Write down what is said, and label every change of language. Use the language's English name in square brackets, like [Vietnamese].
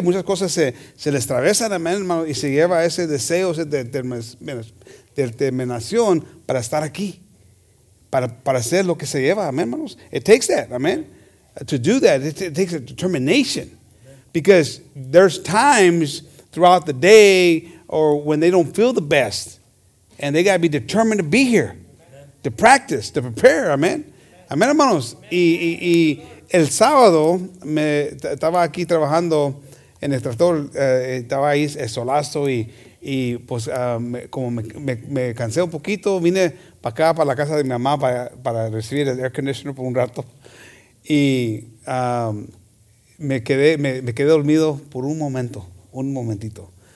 [Spanish] Muchas cosas se les atraviesan, amen, hermano, y se lleva ese deseo, esa determinación para estar aquí. Para hacer lo que se lleva, amen, hermanos. [English] It takes that, amen. To do that, it takes a determination. Because there's times throughout the day or when they don't feel the best. And they got to be determined to be here. Amen. To practice, to prepare, amen. [Spanish] Amén, hermanos. Y el sábado me estaba aquí trabajando en el tractor, estaba ahí el solazo y pues me cansé un poquito, vine para acá, para la casa de mi mamá para recibir el air conditioner por un rato y me quedé dormido por un momentito.